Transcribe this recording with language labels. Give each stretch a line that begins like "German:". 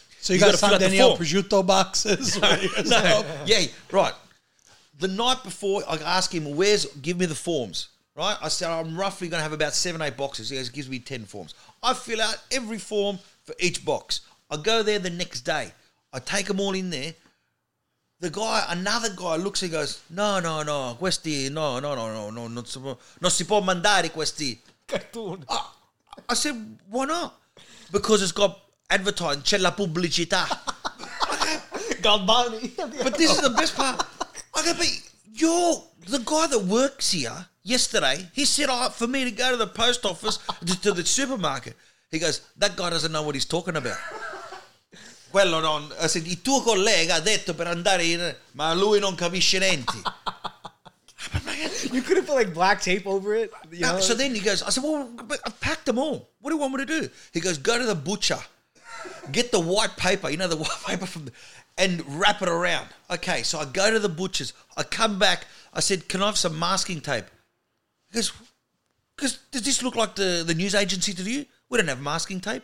English: So you got to find Daniel prosciutto boxes. Right. The night before, I ask him, give me the forms, right? I said, I'm roughly going to have about 7-8 boxes. He goes, gives me 10 forms. I fill out every form for each box. I go there the next day. I take them all in there. The guy, another guy looks and goes,
Italian: no, questi, no, non si può mandare questi.
English: Cartoon. I said, why not? Because it's got advertising,
Italian: c'è la pubblicità.
English: Galbani. But this is the best part. I go, but you're the guy that works here yesterday. He said, for me to go to the post office, to the supermarket. He goes, that guy doesn't know what he's talking about.
Italian: Quello non.
English: I said,
Italian: il tuo collega ha detto per andare in, ma lui non capisce niente.
English: You could have put like black tape over it. You know? So then he goes, I said, well, I've packed them all. What do you want me to do? He goes, go to the butcher, get the white paper, you know, the white paper from the. And wrap it around. Okay, so I go to the butcher's. I come back. I said, can I have some masking tape? He goes, does this look like the news agency to you? We don't have masking tape.